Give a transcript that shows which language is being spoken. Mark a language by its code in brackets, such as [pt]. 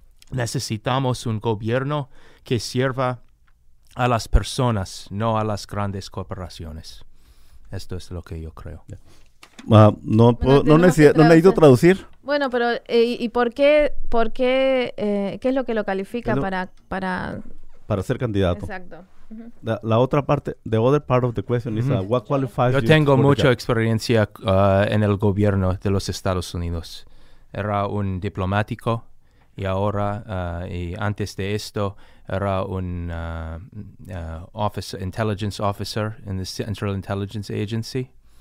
[es] Necesitamos un gobierno que sirva a las personas, no a las grandes corporaciones. Esto es lo que yo creo. No necesito traducir. Bueno, pero ¿y qué es lo que lo califica para ser candidato? Exacto. La otra parte, [en] the other part of the question is what qualifies you. [es] Yo tengo mucha experiencia en el gobierno de los Estados Unidos. Era un diplomático y ahora y antes de esto era un [en] intelligence officer in the Central Intelligence Agency.